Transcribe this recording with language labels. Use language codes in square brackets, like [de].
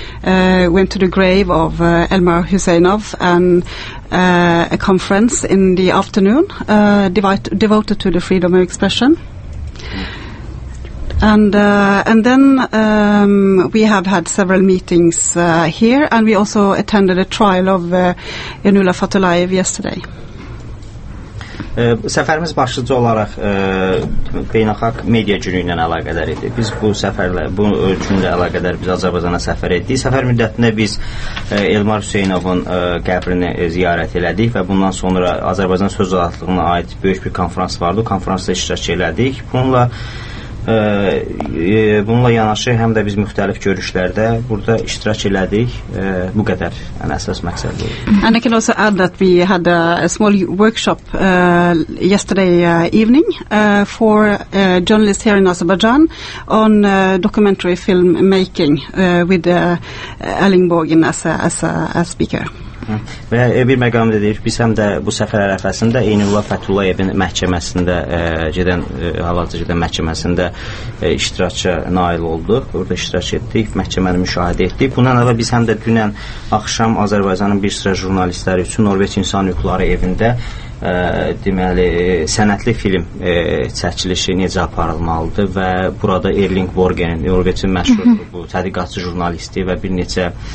[en] Went to the grave of Elmer Hüseynov and a conference in the afternoon devoted to the freedom of expression. And then we have had several meetings here, and we also attended a trial of Yanula Fatulayev yesterday. [az] Səfərimiz başlıca olaraq beynəlxalq media günü ilə əlaqədar idi. Biz bu səfərlə, bu günlə əlaqədar biz Azərbaycana səfər etdik. Səfər müddətində biz Elmar Hüseynovun qəbrini ziyarət elədik və bundan sonra Azərbaycan Söz Azadlığına aid böyük bir konfrans vardı. Konfransda iştirak elədik. Bununla yanaşı həm də biz müxtəlif görüşlərdə burada iştirak elədik. Bu qədər ən əsas məqsədi. [en] And I can also add that we had a small workshop yesterday evening for journalists here in Azerbaijan on documentary film making with Erling Borgen as a speaker. [az] Və bir məqam deyir, biz həm də bu səfər ərəfəsində Eynullah Fətullayevin məhkəməsində gedən, hal-hazırda gedən məhkəməsində iştirakça nail olduq. Orada iştirak etdik, məhkəməni müşahidə etdik. Bundan əlavə biz həm də dünən axşam Azərbaycanın bir sıra jurnalistləri üçün Norveç İnsan Hüquqları Evində deməli, sənətli film çəkilişi necə aparılmalıdır və burada Erling Borgen, Norveçin məşhur bu tədqiqatçı jurnalisti və bir neçə